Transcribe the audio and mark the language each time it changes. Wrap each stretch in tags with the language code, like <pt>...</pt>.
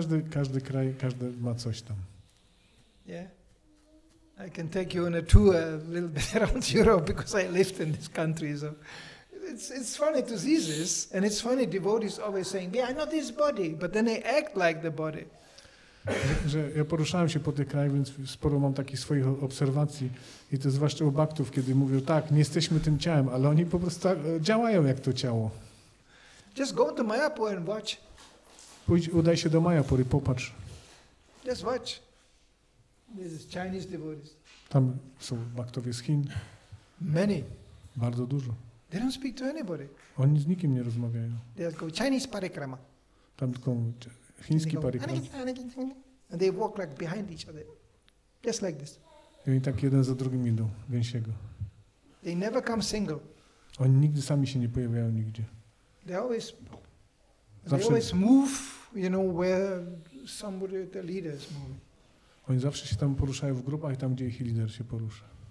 <pl>Każdy kraj, każdy ma coś tam.</pl> <en>Yeah. I can take you on a tour a little bit around Europe because I lived in this country. So it's funny to see this, and it's funny devotees always saying, "Yeah, I know this body," but then they act like the body.</en> <pl>Że ja poruszałem się po tych krajach, więc sporo mam takich swoich obserwacji i to zwłaszcza u baktów, kiedy mówią, tak, nie jesteśmy tym ciałem, ale oni po prostu działają jak to ciało.</pl> <en>Just go to Mayapur and watch.</en> <pl>Pójdź, udaj się do Mayapur i popatrz.</pl> <en>Just watch. This is Chinese devotees.</en> <pl>Tam są baktowie z Chin.</pl> <en>Many.</en> <pl>Bardzo dużo.</pl> <en>They don't speak to anybody.</en> <pl>Oni z nikim nie rozmawiają.</pl> <en>They go Chinese parikrama.</en> <pl>Tam tylko chiński parikrama.</pl> <en>And they walk like behind each other. Just like this.</en> <pl>I oni tak jeden za drugim idą, gęsiego.</pl> <en>They never come single.</en> <pl>Oni nigdy sami się nie pojawiają nigdzie.</pl> <en>They always move, you know, where somebody, the leader is moving.</en> <pl>Oni zawsze się tam poruszają w grupach, tam gdzie ich lider się porusza.</pl>